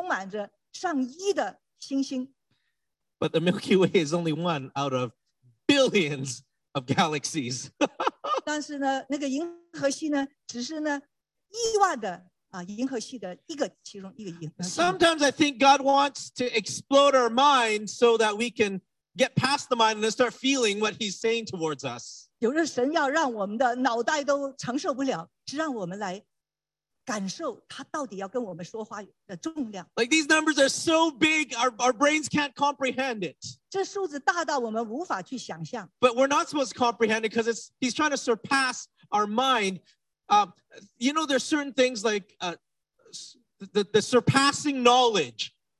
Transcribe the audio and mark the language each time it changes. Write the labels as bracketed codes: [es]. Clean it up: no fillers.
[zh] 而我们这个小小的区域,这个银河系呢,是充满着上亿的星星。 [en] But the Milky Way is only one out of billions of galaxies. [zh] 但是呢,那个银河系呢,只是呢,亿万的银河系的一个其中一个银河系。 [en] Sometimes I think God wants to explode our mind so that we can get past the mind and then start feeling what he's saying towards us. [zh] 有的神要让我们的脑袋都承受不了，只让我们来感受他到底要跟我们说话的重量。 [en] Like these numbers are so big, our brains can't comprehend it. [zh] 这数字大到我们无法去想象。 [en] But we're not supposed to comprehend it because he's trying to surpass our mind. You know, there's certain things like the surpassing knowledge.